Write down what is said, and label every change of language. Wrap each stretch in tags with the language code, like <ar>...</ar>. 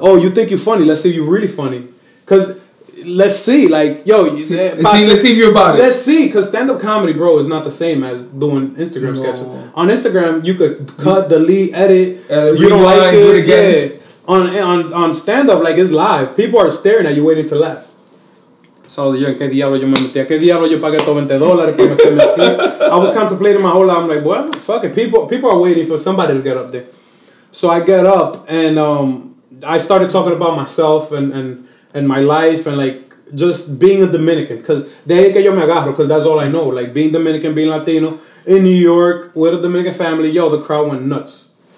<en>Oh, you think you're funny. Let's see if you're really funny. Because... let's see, like, yo, let's see if you're about it. Let's see, because stand-up comedy, bro, is not the same as doing Instagram sketches. On Instagram, you could cut, delete, edit, you don't like it, do it again. Yeah. On stand-up, like, it's live. People are staring at you waiting to laugh.</en> <es>So, yo, ¿en qué diablo yo me metí? ¿Qué diablo yo pagué todo $20 para meterme aquí?</es> <en>I was contemplating my whole life. I'm like, well, fuck it. People are waiting for somebody to get up there. So I get up, and I started talking about myself and my life and, like, just being a Dominican. Because</en> <es>de ahí que yo me agarro,</es> <en>because that's all I know. Like, being Dominican, being Latino, in New York, with a Dominican family, yo, the crowd went nuts.</en>